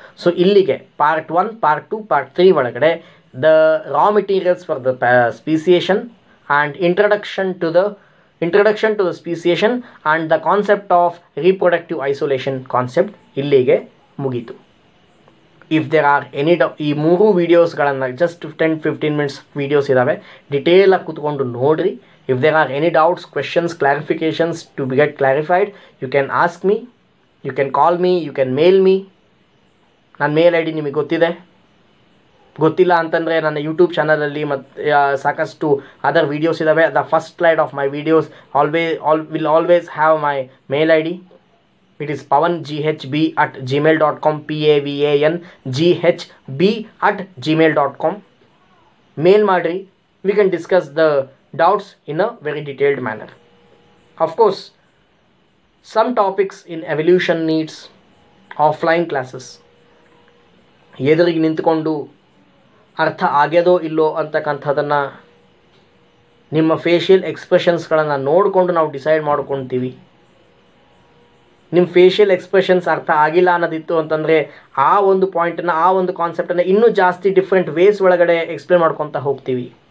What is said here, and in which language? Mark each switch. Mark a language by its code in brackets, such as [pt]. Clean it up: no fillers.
[en] so [kn] ಇಲ್ಲಿಗೆ [en] part one, part two, part three [kn] ಒಳಗಡೆ [en] the raw materials for the speciation and introduction to the speciation and the concept of reproductive isolation concept [kn] ಇಲ್ಲಿಗೆ ಮುಗೀತು. [en] if there are any [kn] ಈ ಮೂರು ವೀಡಿಯೋಸ್ಗಳನ್ನು just 10-15 minutes videos ಇದ್ದಾವೆ, ಡಿಟೇಲಾಗಿ ಕೂತ್ಕೊಂಡು ನೋಡಿರಿ. [en] If there are any doubts, questions, clarifications to be get clarified, you can ask me, you can call me, you can mail me. [kn] ನನ್ನ ಮೇಲ್ I D ನಿಮಗೆ ಗೊತ್ತಿದೆ. ಗೊತ್ತಿಲ್ಲ ಅಂತಂದರೆ ನನ್ನ ಯೂಟ್ಯೂಬ್ ಚಾನಲಲ್ಲಿ ಮತ್ತು ಸಾಕಷ್ಟು ಅದರ್ ವೀಡಿಯೋಸ್ ಇದ್ದಾವೆ. [en] The first slide of my videos will always have my mail I D. It is pavanghb@gmail.com, pavanghb@gmail.com. [kn] ಮೇಲ್ ಮಾಡಿರಿ, [en] We can discuss the doubts in a very detailed manner. Of course, some topics in evolution needs offline classes. [kn] ಎದುರಿಗೆ ನಿಂತ್ಕೊಂಡು ಅರ್ಥ ಆಗ್ಯದೋ ಇಲ್ಲೋ ಅಂತಕ್ಕಂಥದ್ದನ್ನು ನಿಮ್ಮ facial ಎಕ್ಸ್ಪ್ರೆಷನ್ಸ್ಗಳನ್ನು ನೋಡಿಕೊಂಡು ನಾವು decide ಮಾಡ್ಕೊತೀವಿ. ನಿಮ್ಮ ಫೇಷಿಯಲ್ ಎಕ್ಸ್ಪ್ರೆಷನ್ಸ್ ಅರ್ಥ ಆಗಿಲ್ಲ ಅನ್ನೋದಿತ್ತು ಅಂತಂದರೆ ಆ ಒಂದು ಪಾಯಿಂಟನ್ನು, ಆ ಒಂದು ಕಾನ್ಸೆಪ್ಟನ್ನು ಇನ್ನೂ ಜಾಸ್ತಿ ಡಿಫ್ರೆಂಟ್ ವೇಸ್ ಒಳಗಡೆ ಎಕ್ಸ್ಪ್ಲೇನ್ ಮಾಡ್ಕೊತ ಹೋಗ್ತೀವಿ.